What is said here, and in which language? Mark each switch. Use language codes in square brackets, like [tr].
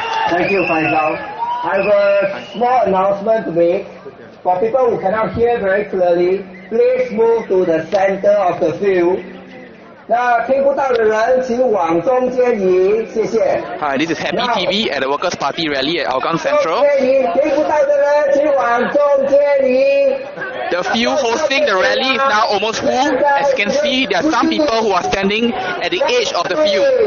[en] Thank you, Faisal. I have a small announcement to make. For people who cannot hear very clearly, please move to the center of the field. [zh] 那听不到的人请往中间移，谢谢。 [en] Hi, this is Happy TV at the Workers' Party Rally at Hougang Central. [zh] 中间移，听不到的人请往中间移。 [en] The few hosting the rally is now almost full. As you can see, there are some people who are standing at the edge of the field.